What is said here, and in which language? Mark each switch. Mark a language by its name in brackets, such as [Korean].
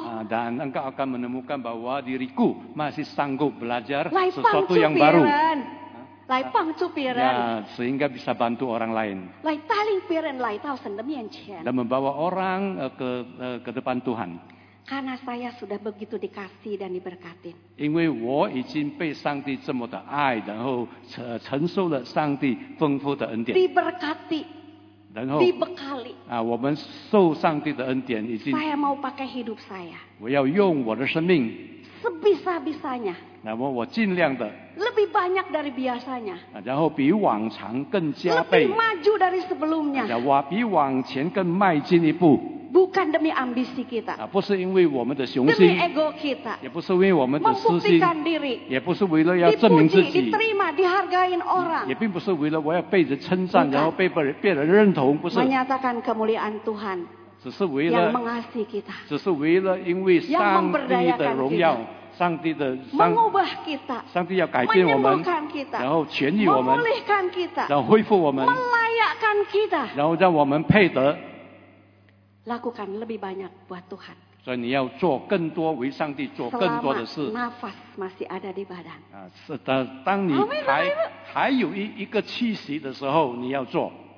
[Indonesian] Dan engkau akan menemukan bahwa diriku masih sanggup belajar sesuatu yang baru. [Chinese] 来帮助别人, [Indonesian] ya, sehingga bisa bantu orang lain. [Chinese] 来带领别人来到神的面前, [Indonesian] dan membawa orang ke depan Tuhan. Karena saya sudah begitu dikasih dan diberkati. [Chinese] 因为我已经被上帝这么的爱，然后承受了上帝丰富的恩典。 [Indonesian] diberkati。 [Chinese] 然后。 [Indonesian] dibekali。 [Chinese] 啊，我们受上帝的恩典已经。 [Indonesian] saya mau pakai hidup saya。 [Chinese] 我要用我的生命。 [Indonesian] sebisa bisanya。 [Chinese] 那么我尽量的。 [Indonesian] lebih banyak dari biasanya。 [Chinese] 然后比往常更加倍。 [Indonesian] lebih maju dari sebelumnya。 [Chinese] 然后比往前更迈进一步。 [Indonesian] bukan demi ambisi kita， [Chinese] 不是因为我们的雄心， [Indonesian] demi ego kita， [Chinese] 也不是为我们的私心， [Indonesian] membuktikan diri， [Chinese] 也不是为了要证明自己， [Indonesian] dipuji， diterima， dihargain orang， [Chinese] 也并不是为了我要被人称赞， 然后被别人认同， 不是， [Indonesian] menyatakan kemuliaan Tuhan， [Chinese] 只是为了， [Indonesian] yang mengasihi kita， [Chinese] 只是为了因为上帝的荣耀， [Indonesian] yang memberdayakan kita， [Chinese] 上帝的， [Indonesian] mengubah kita， [Chinese] 上帝要改变我们， [Indonesian] menyembuhkan kita， [Chinese] 然后痊愈我们， [Indonesian] memulihkan kita， [Chinese] 然后恢复我们， [Indonesian] melayakkan kita， [Chinese] 然后让我们配得。 [Indonesian] Lakukan lebih banyak buat Tuhan. [Chinese] 所以你要做更多为上帝做更多的事。 [Indonesian] Selama nafas masih ada di badan. [Chinese] 是的，当你还有一个气息的时候，你要做。